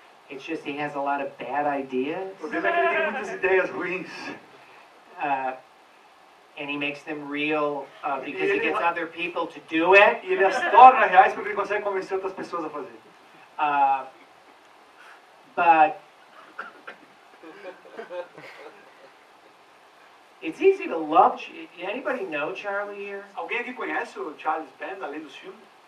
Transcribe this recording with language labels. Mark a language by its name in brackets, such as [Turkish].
[English] It's just he has a lot of bad ideas. [Portuguese] O problema é que ele tem muitas ideias ruins. [English] And he makes them real because [Portuguese] ele [English] gets other people to do it. [Portuguese] E ele as torna reais porque ele consegue convencer outras pessoas a fazer. [English] But it's easy to love. Anybody know Charlie here? [Portuguese] Alguém aqui conhece o Charles Band além dos filmes?